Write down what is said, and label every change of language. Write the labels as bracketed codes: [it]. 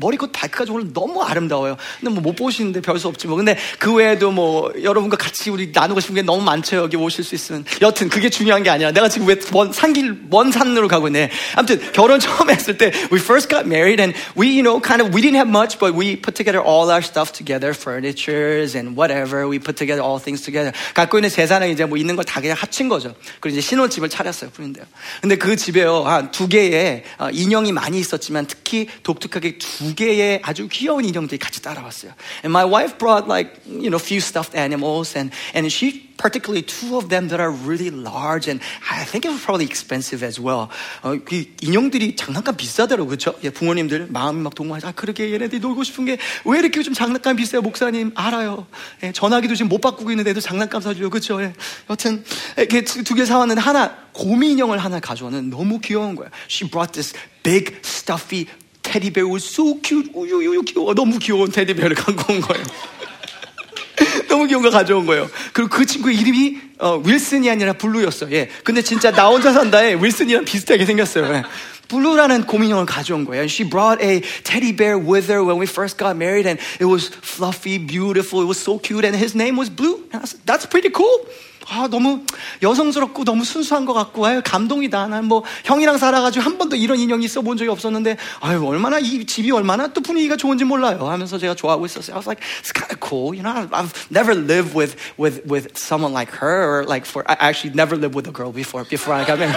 [ko] 머리끝 발끝까지 오늘 너무 아름다워요. 근데 뭐 못 보시는데 별 수 없지 뭐. 근데 그 외에도 뭐 여러분과 같이 우리 나누고 싶은 게 너무 많죠. 여기 오실 수 있으면. 여튼 그게 중요한 게 아니라 내가 지금 왜 먼 산으로 가고 있네. 아무튼 결혼 처음 했을 때 [en] we first got married and we, you know, kind of we didn't have much, but we put together all our stuff together, furnitures and whatever. We put together all things together. [ko] 갖고 있는 재산을 이제 뭐 있는 걸 다 그냥 합친 거죠. 그리고 이제 신혼집을 차렸어요, 부인데요. 근데 그 집에요 한 두 개 인형이 많이 있었지만 특히 독특하게 두 개의 아주 귀여운 인형들이 같이 따라왔어요. [en] And my wife brought like, you know, a few stuffed animals and she particularly two of them that are really large and I think it was probably expensive as well. [ko] 그 인형들이 장난감 비싸더라고요. 그렇죠? 예, 부모님들 마음이 막 동화해서 아, 그러게 얘네들이 놀고 싶은 게 왜 이렇게 좀 장난감 비싸요? 목사님 알아요. 예, 전화기도 지금 못 바꾸고 있는데도 장난감 사주려고. 그렇죠? 예. 여튼 이렇게 두 개 사왔는데 하나 곰이 인형을 하나 가져오는 너무 귀여운 거야. [en] She brought this big stuffy teddy bear. It was so cute. [ko] 우유유유 귀여워. 너무 귀여운 테디베어를 갖고 온 거예요. 너무 귀여운 거 가져온 거예요. 그리고 그 친구의 이름이 윌슨이 아니라 블루였어. 예. 근데 진짜 나 혼자 산다에 윌슨이랑 비슷하게 생겼어요. 예. 블루라는 곰인형을 가져온 거예요. [en] And she brought a teddy bear with her when we first got married and it was fluffy, beautiful. It was so cute and his name was Blue. And I said, that's pretty cool. [ko] 아, 너무 여성스럽고 너무 순수한 것 같고, 아유, 감동이다. 난 뭐, 형이랑 살아가지고 한 번도 이런 인형이 있어 본 적이 없었는데, 아유, 얼마나 이 집이 얼마나 또 분위기가 좋은지 몰라요. 하면서 제가 좋아하고 있었어요. [en] I was like, it's kind of cool. You know, I've never lived with someone like her, or like for, I actually never lived with a girl before I got married.